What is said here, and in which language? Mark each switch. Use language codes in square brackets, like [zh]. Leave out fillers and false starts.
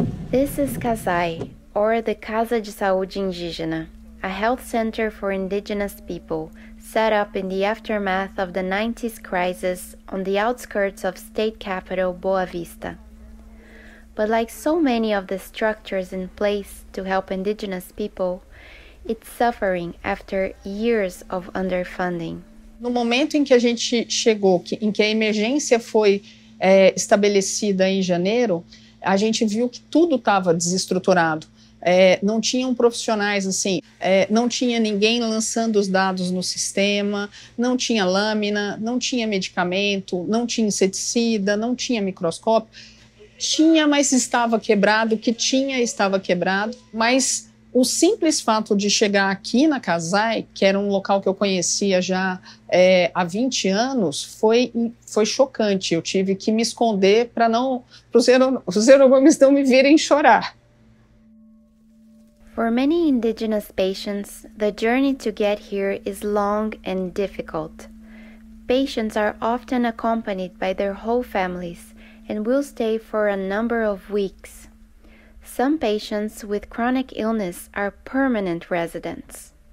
[en] This is Casai, or the Casa de Saúde Indígena, a health center for indigenous people, set up in the aftermath of the 90s crisis on the outskirts of state capital Boa Vista. But like so many of the structures in place to help indigenous people, it's suffering after years of underfunding. [pt] No momento em que a gente chegou, em que a emergência foi estabelecida em janeiro, a gente viu que tudo estava desestruturado. Não tinham profissionais, assim, não tinha ninguém lançando os dados no sistema, não tinha lâmina, não tinha medicamento, não tinha inseticida, não tinha microscópio. Tinha, mas estava quebrado, o que tinha estava quebrado, mas o simples fato de chegar aqui na Casai, que era um local que eu conhecia já há 20 anos, foi chocante. Eu tive que me esconder para não os aeromames não me virem chorar. [en] For many indigenous patients, the journey to get here is long and difficult. Patients are often accompanied by their whole families and will stay for a number of weeks. Some patients with chronic illness are permanent residents.